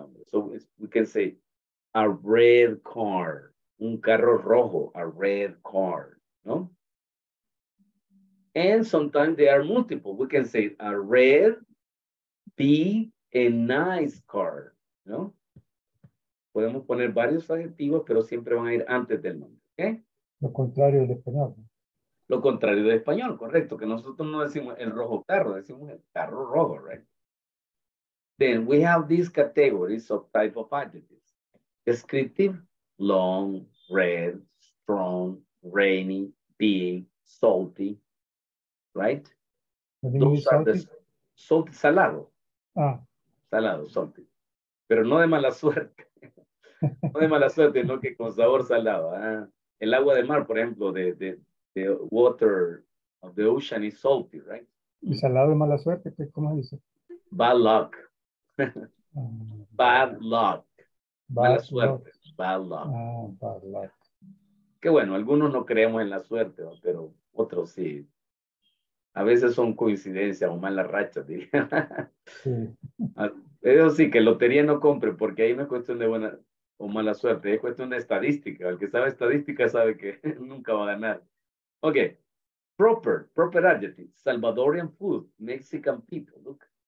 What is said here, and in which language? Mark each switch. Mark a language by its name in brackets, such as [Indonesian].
[English] So we can say, a red car, [Spanish] un carro rojo, [English] a red car, no? And sometimes they are multiple. We can say, a red, big, and nice car, no? [Spanish] Podemos poner varios adjetivos, pero siempre van a ir antes del nombre, ¿ok? Lo contrario del español. Lo contrario del español, correcto. Que nosotros no decimos el rojo carro, decimos el carro rojo, ¿right? [English] Then we have these categories of type of adjectives. Descriptive, long, red, strong, rainy, big, salty, right? Those are the salty, salado. Ah. [Spanish] Salado, [English] salty. [Spanish] Pero no de mala suerte. No de mala suerte, no que con sabor salado. [English] ¿Eh? [Spanish] El agua de mar, por ejemplo, [English] the water of the ocean is salty, right? [Spanish] Y salado de mala suerte, ¿qué, cómo dice? [English] Bad luck. Bad luck. [Spanish] Mala suerte. [English] Bad luck. Ah, bad luck. [Spanish] Qué bueno, algunos no creemos en la suerte, ¿no? Pero otros sí. A veces son coincidencias o malas rachas, diría. Sí. Eso sí, que lotería no compre, porque ahí no es cuestión de buena o mala suerte, es cuestión de estadística. El que sabe estadística sabe que nunca va a ganar. [English] Ok, proper adjective, Salvadorian food, Mexican people, look.